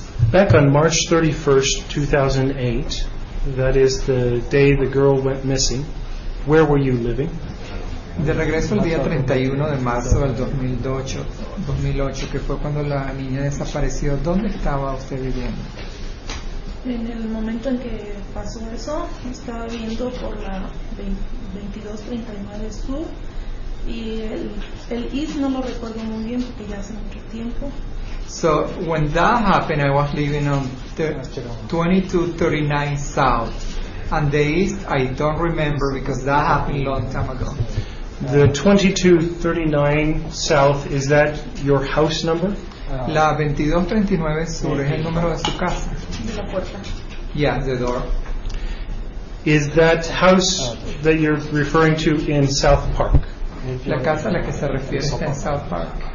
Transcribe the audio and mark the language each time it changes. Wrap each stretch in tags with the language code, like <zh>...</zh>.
<en>Back on March 31st, 2008, that is the day the girl went missing, where were you living?</en> <es>De regreso el día 31 de marzo del 2008, que fue cuando la niña desapareció, ¿dónde estaba usted viviendo? En el momento en que pasó eso, estaba viviendo por la 2239 Sur, y el East no lo recuerdo muy bien porque ya hace mucho tiempo.</es> <en>So when that happened, I was living on 2239 South, and the East I don't remember because that happened a long time ago. The 2239 South, is that your house number?</en> <es>La 2239 Sur es el número de su casa. De la puerta.</es> <en>Yeah, the door. Is that house that you're referring to in South Park?</en> <es>La casa a la que se refiere está en South Park.</es>